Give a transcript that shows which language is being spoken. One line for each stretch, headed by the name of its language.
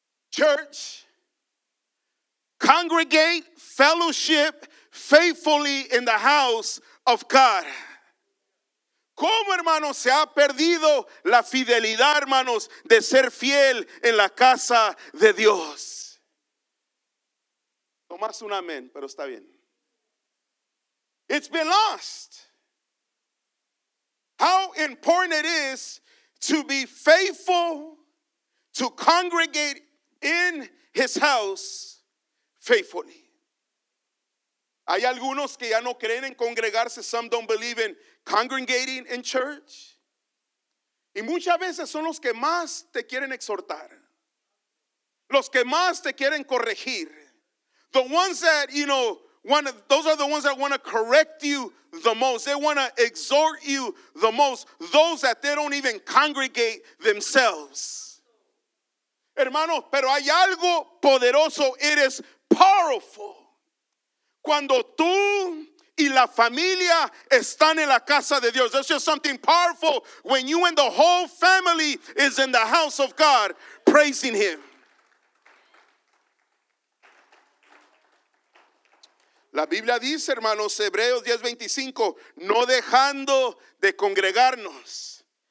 English: Church, congregate, fellowship faithfully in the house of God.
Spanish: ¿Cómo, hermanos, se ha perdido la fidelidad, hermanos, de ser fiel en la casa de Dios? Tomás un amén, pero está bien.
English: It's been lost. How important it is to be faithful, to congregate in his house faithfully.
Spanish: Hay algunos que ya no creen en congregarse.
English: Some don't believe in congregating in church.
Spanish: Y muchas veces son los que más te quieren exhortar. Los que más te quieren corregir.
English: the ones that, you know, those are the ones that want to correct you the most. They want to exhort you the most. Those that they don't even congregate themselves. Hermano, pero hay algo poderoso. It is powerful.
Spanish: Cuando tú y la familia están en la casa de Dios.
English: That's just something powerful. When you and the whole family is in the house of God praising Him.
Spanish: La Biblia dice, hermanos, Hebreos 10:25, no dejando de congregarnos.